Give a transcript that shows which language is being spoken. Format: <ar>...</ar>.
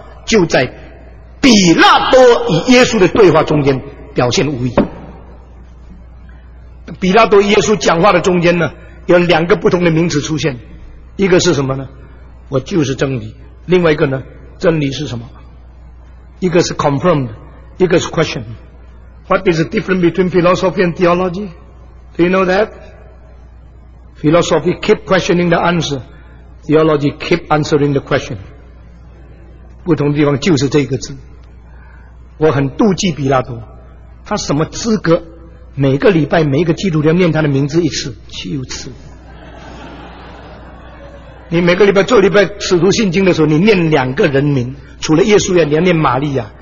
<zh>就在比拉多与耶稣的对话中间表现无疑。比拉多与耶稣讲话的中间呢，有两个不同的名词出现，一个是什么呢？我就是真理。另外一个呢，真理是什么？一个是 confirmed， 一个是 question。</zh> <en>What is the difference between philosophy and theology? Do you know that? Philosophy keep questioning the answer. Theology keep answering the question.</en> <zh>不同地方就是这个字。我很妒忌比拉多，他什么资格每个礼拜每一个基督徒念他的名字一次，羞耻。你每个礼拜做礼拜使徒信经的时候，你念两个人名，除了耶稣呀，你要念玛利亚。</zh>